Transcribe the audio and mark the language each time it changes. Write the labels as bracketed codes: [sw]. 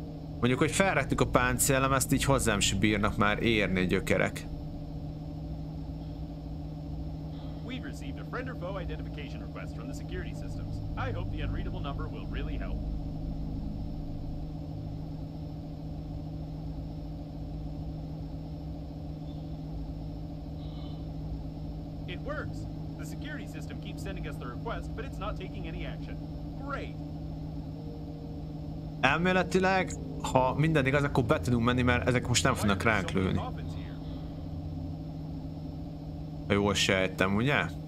[hu] Mondjuk, hogy felrettük a páncélem, ezt így hozzám sem bírnak már érni gyökerek. [en] Friend or foe identification request from the security systems. I hope the unreadable number will really help. It works. The security system keeps sending us the request, but it's not taking any action. Great. [hu] Elméletileg, ha minden igaz, akkor be tudunk menni, mert ezek most nem fognak ránk lőni. Jól sejtem, ugye?